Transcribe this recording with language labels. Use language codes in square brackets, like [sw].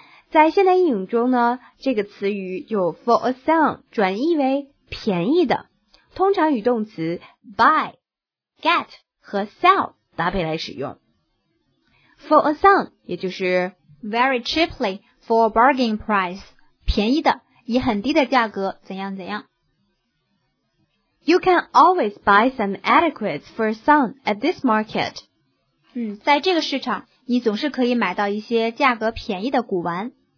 [zh] 在现代英语中呢，这个词语就 [en] for a song [zh] 转译为便宜的，通常与动词 buy、get 和 sell 搭配来使用。 [en] For a song [zh] 也就是 [en] very cheaply for a bargain price， [zh] 便宜的，以很低的价格怎样怎样。 [en] You can always buy some adequates for a song at this market。 [zh] 在这个市场，你总是可以买到一些价格便宜的古玩。